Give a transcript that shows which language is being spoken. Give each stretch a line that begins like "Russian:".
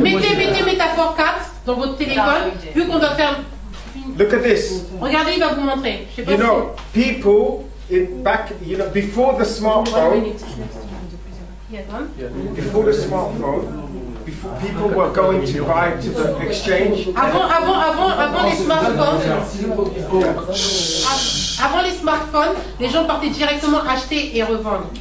French: Mettez Métaphore 4 dans votre téléphone, vu qu'on doit faire.
English: Look at this.
French: Regardez, il va vous montrer.
English: You know, people in back, you know, before the smartphone. Before the smartphone. Before people were going to ride to the exchange.
French: Avant les smartphones. Avant les smartphones, les gens partaient directement acheter et revendre.